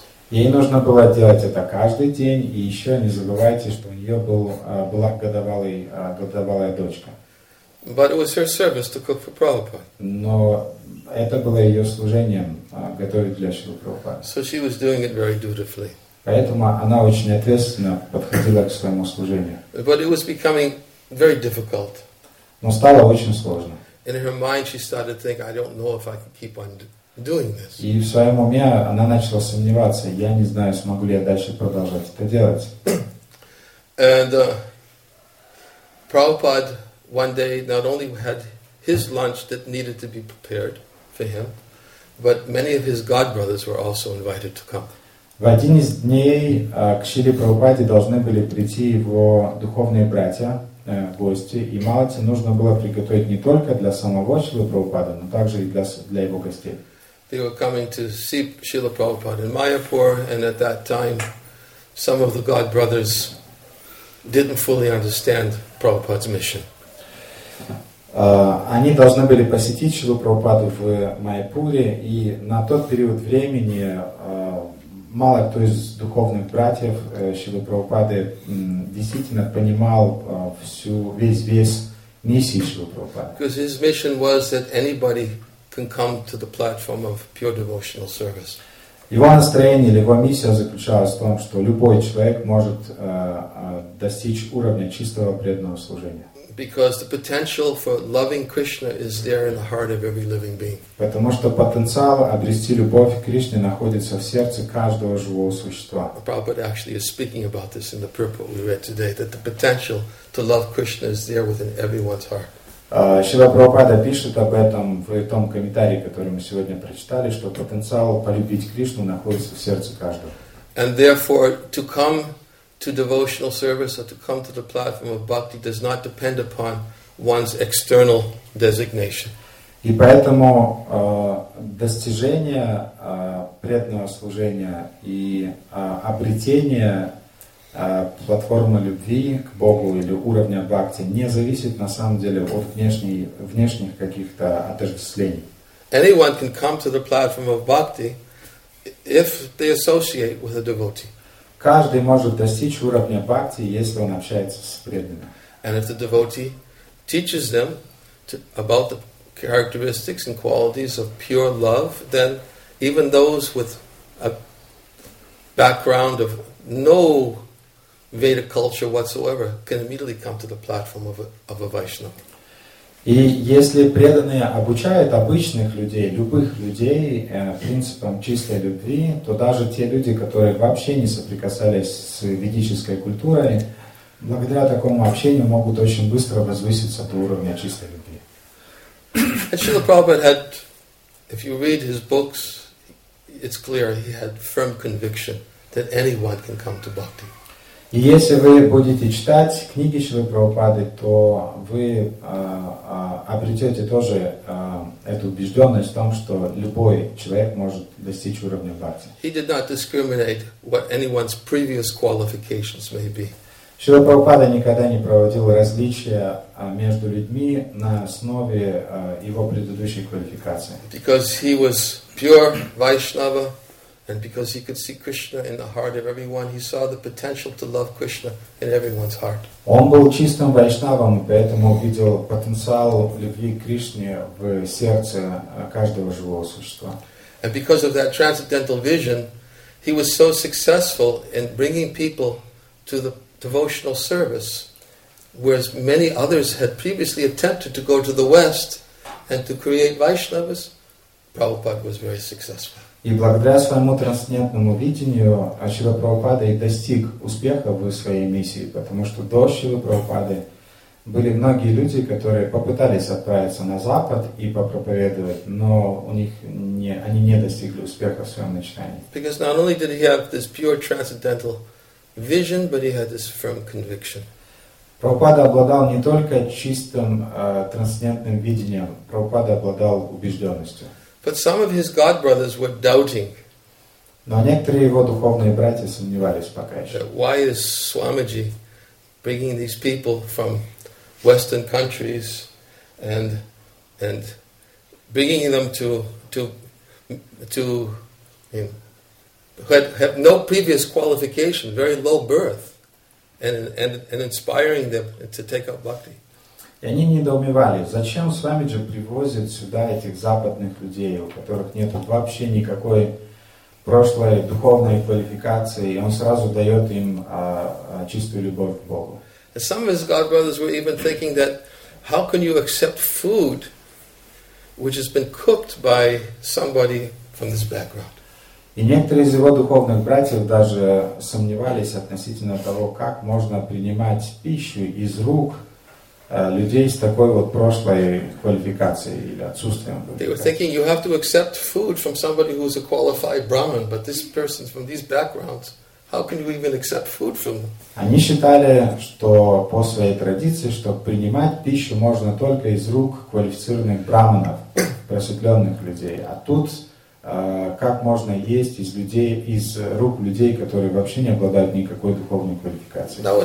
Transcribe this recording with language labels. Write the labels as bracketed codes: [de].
[ru] Ей нужно было делать это каждый день, и еще не забывайте, что у нее была годовалая дочка. [en] But it was her service to cook for Prabhupada. [ru] Но это было ее служением готовить для Шрилы Прабхупады. [en] So she was doing it very dutifully. [ru] Поэтому она очень ответственно подходила к своему служению. [en] But it was becoming very difficult. [ru] Но стало очень сложно. [en] In her mind, she started to think, "I don't know if I can keep on doing this." [ru] И в своем уме она начала сомневаться: я не знаю, смогу ли я дальше продолжать это делать. [en] And Prabhupada one day not only had his lunch that needed to be prepared for him, but many of his godbrothers were also invited to come. [ru] В один из дней к Шриле Прабхупаде должны были прийти его духовные братья, гости, и Малати нужно было приготовить не только для самого Шрилы Прабхупады, но также и для его гостей. [en] They were coming to see Srila Prabhupada in Mayapur, and at that time some of the godbrothers didn't fully understand Prabhupada's mission. [ru] Они должны были посетить Шрилу Прабхупаду в Майяпуре, и на тот период времени мало кто из духовных братьев Шрилы Прабхупады действительно понимал весь вес миссии Шрилы Прабхупады. [en] Because his mission was that anybody can come to the platform of pure devotional service. [ru] Его настроение или его миссия заключалась в том, что любой человек может достичь уровня чистого преданного служения. [en] Because the potential for loving Krishna is there in the heart of every living being. [ru] Потому что потенциал обрести любовь к Кришне находится в сердце каждого живого существа. [en] Prabhupada actually is speaking about this in the purport we read today, that the potential to love Krishna is there within everyone's heart. [ru] Шрила Прабхупада пишет об этом в том комментарии, который мы сегодня прочитали, что потенциал полюбить Кришну находится в сердце каждого. [en] And therefore, to come to devotional service or to come to the platform of bhakti does not depend upon one's external designation. [ru] И поэтому достижение преданного служения и обретение платформы любви к Богу или уровня бхакти не зависит на самом деле от внешних каких-то отождествлений. [en] Anyone can come to the platform of bhakti if they associate with a devotee. [ru] Каждый может достичь уровня бхакти, если он общается с преданным. [en] And if the devotee teaches them about the characteristics and qualities of pure love, then even those with a background of no Vedic culture whatsoever can immediately come to the platform of a Vaishnava. [ru] И если преданные обучают обычных людей, любых людей принципам чистой любви, то даже те люди, которые вообще не соприкасались с ведической культурой, благодаря такому общению могут очень быстро возвыситься до уровня чистой любви. [en] Srila Prabhupada had, if you read his books, it's clear he had firm conviction that anyone can come to bhakti. [ru] И если вы будете читать книги Шрилы Прабхупады, то вы обретете тоже эту убежденность в том, что любой человек может достичь уровня бхакти. [en] He did not discriminate what anyone's previous qualifications may be. [ru] Шрила Прабхупада никогда не проводил различия между людьми на основе его предыдущей квалификации. [en] Because he was pure Vaishnava. And because he could see Krishna in the heart of everyone, he saw the potential to love Krishna in everyone's heart. [ru] Он был чистым вайшнавом, поэтому видел потенциал любви к Кришне в сердце каждого живого существа. [en] And because of that transcendental vision, he was so successful in bringing people to the devotional service, whereas many others had previously attempted to go to the West and to create Vaishnavas, Prabhupada was very successful. [ru] И благодаря своему трансцендентному видению Шрила Прабхупада и достиг успеха в своей миссии, потому что до Шрилы Прабхупады были многие люди, которые попытались отправиться на Запад и попроповедовать, но они не достигли успеха в своем начинании. [en] Because not only did he have this pure transcendental vision, but he had this firm conviction. [ru] Прабхупада обладал не только чистым трансцендентным видением, Прабхупада обладал убежденностью. [en] But some of his god brothers were doubting. [ru] Но некоторые его духовные братья сомневались пока еще. [en] Why is Swamiji bringing these people from Western countries and bringing them to have no previous qualification, very low birth, and inspiring them to take up bhakti? [ru] И они недоумевали, зачем Свамиджи привозит сюда этих западных людей, у которых нет вообще никакой прошлой духовной квалификации, и он сразу дает им чистую любовь к Богу. [en] And some of his god brothers were even thinking that how can you accept food which has been cooked by somebody from this background? [ru] И некоторые из его духовных братьев даже сомневались относительно того, как можно принимать пищу из рук людей с такой вот прошлой квалификацией или отсутствием. [en] They were thinking you have to accept food from somebody who is a qualified Brahmin, but this person from these backgrounds, how can you even accept food from them? [ru] Они считали, что по своей традиции, что принимать пищу можно только из рук квалифицированных брахманов, просветленных людей. А тут как можно есть из людей, из рук людей, которые вообще не обладают никакой духовной квалификацией.